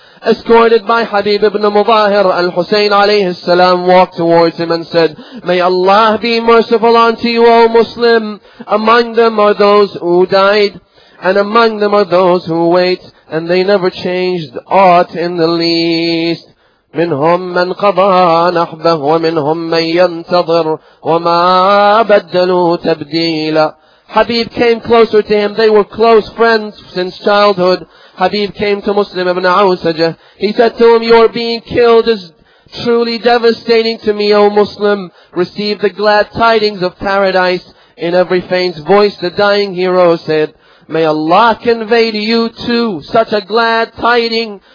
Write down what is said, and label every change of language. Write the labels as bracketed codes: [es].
[en] Escorted by Habib ibn Mudahir, al-Husayn alayhi salam walked towards him and said, May Allah be merciful unto you, O Muslim. Among them are those who died, and among them are those who wait, and they never changed aught in the least. [ar] منهم من قضى نحبه ومنهم من ينتظر وما بدلوا تبديلا. [en] Habib came closer to him. They were close friends since childhood. Habib came to Muslim ibn Awsajah. He said to him, Your being killed is truly devastating to me, O Muslim. Receive the glad tidings of paradise. In every faint voice, the dying hero said, May Allah convey to you too such a glad tiding.